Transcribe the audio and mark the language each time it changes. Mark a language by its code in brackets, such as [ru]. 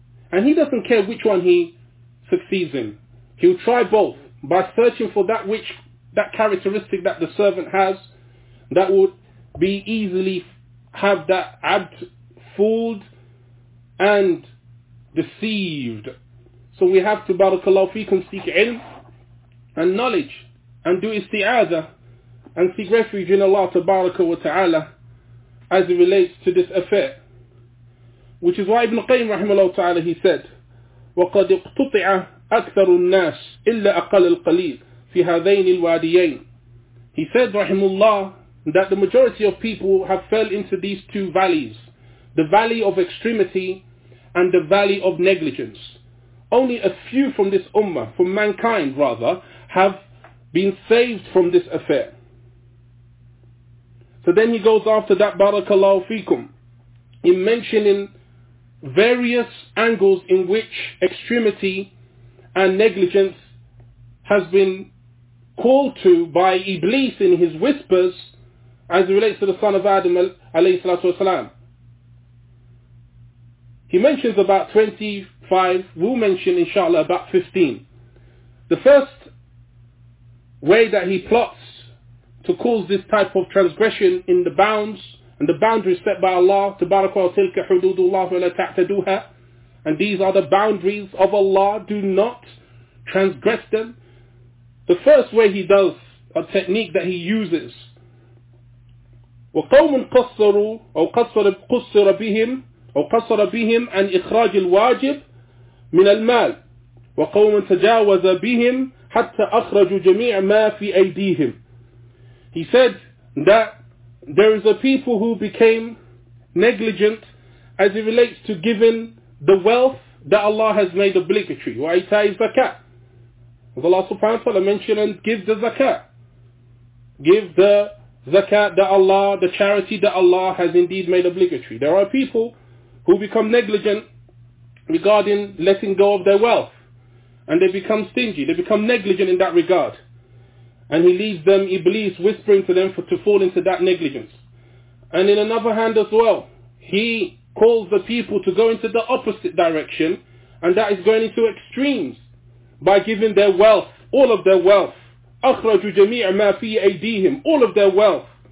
[en] And he doesn't care which one he succeeds in. He'll try both by searching for that which, that characteristic that the servant has, that would be easily have that abd fooled and deceived. So we have to, barakallahu feekum, seek ilm and knowledge and do isti'adah and seek refuge in Allah tabaraka wa ta'ala as it relates to this affair. Which is why Ibn Qayyim rahimahullah ta'ala, he said, [ar] وَقَدْ اِقْتُطِعَ أَكْثَرُ النَّاسِ إِلَّا أَقَلَ الْقَلِيلِ فِي هَذَيْنِ الْوَادِيَيْنِ. [en] He said, rahimullah, that the majority of people have fell into these two valleys, the valley of extremity and the valley of negligence. Only a few from this ummah, from mankind rather, have been saved from this affair. So then he goes after that, barakallahu feekum, in mentioning various angles in which extremity and negligence has been called to by Iblis in his whispers as it relates to the son of Adam alayhi salatu wasalam. He mentions about 25, we'll mention inshallah about 15. The first way that he plots to cause this type of transgression in the bounds and the boundaries set by Allah, [ar] تَبَارَكَ وَتِلْكَ حُدُودُ اللَّهُ وَلَا تَعْتَدُوهَا, [en] and these are the boundaries of Allah, do not transgress them. The first way he does, a technique that he uses, [ar] وَقَوْمٌ قَصَّرُوا أَوْ قَصَّرَ بِهِمْ أَوْ قَصَّرَ بِهِمْ أَنْ إِخْرَاجِ الْوَاجِبِ مِنَ الْمَالِ وَقَوْمٌ تَجَاوَزَ بِهِمْ حَتَّى أَخْرَجُوا جَمِيعَ مَا فِي أَيْدِيهِمْ. [en] He said that there is a people who became negligent as it relates to giving the wealth that Allah has made obligatory. [ar] وَأَيْتَاءِ الزَّكَاةِ. [en] As Allah subhanahu wa ta'ala mentioned, and give the zakat. Give the zakat that Allah, the charity that Allah has indeed made obligatory. There are people who become negligent regarding letting go of their wealth. And they become stingy, they become negligent in that regard. And he leaves them, Iblis, whispering to them to fall into that negligence. And in another hand as well, he calls the people to go into the opposite direction, and that is going into extremes, by giving their wealth, all of their wealth. [ar] أَخْرَجُوا جَمِيعَ مَا فِي أَيْدِيهِمْ, [en] all of their wealth.